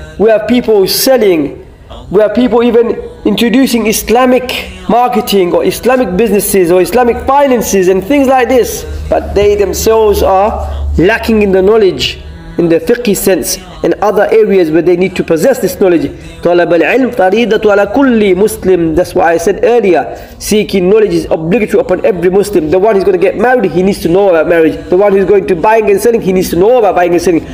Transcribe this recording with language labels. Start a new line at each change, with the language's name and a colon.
English: We have people selling. We have people even introducing Islamic marketing or Islamic businesses or Islamic finances and things like this. But they themselves are lacking in the knowledge, in the fiqh sense, and other areas where they need to possess this knowledge.
Arabic: طلب العلم فريضة على كل مسلم.
English: That's why I said earlier, seeking knowledge is obligatory upon every Muslim. The one who's going to get married, he needs to know about marriage. The one who's going to buying and selling, he needs to know about buying and selling.